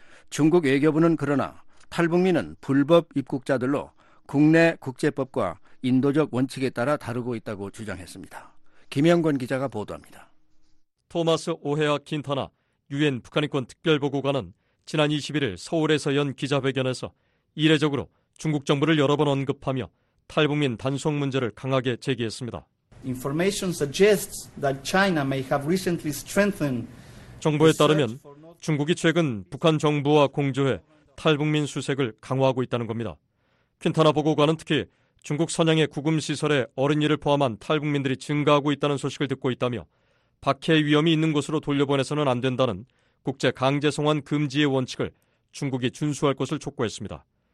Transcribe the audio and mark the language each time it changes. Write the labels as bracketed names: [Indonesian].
[Korean] 중국 외교부는 그러나 탈북민은 불법 입국자들로 국내 국제법과 인도적 원칙에 따라 다루고 있다고 주장했습니다. 김영권 기자가 보도합니다. 토마스 오헤아 킨타나 유엔 북한인권특별보고관은 지난 21일 서울에서 연 기자회견에서 이례적으로 중국 정부를 여러 번 언급하며 탈북민 단속 문제를 강하게 제기했습니다. [English] Information suggests that China may have recently strengthened. [Korean] 정부에 따르면 중국이 최근 북한 정부와 공조해 탈북민 수색을 강화하고 있다는 겁니다. 퀸타나 보고관은 특히 중국 선양의 구금시설에 어린이를 포함한 탈북민들이 증가하고 있다는 소식을 듣고 있다며 박해 위험이 있는 곳으로 돌려보내서는 안 된다는 국제 강제송환 금지의 원칙을 중국이 준수할 것을 촉구했습니다.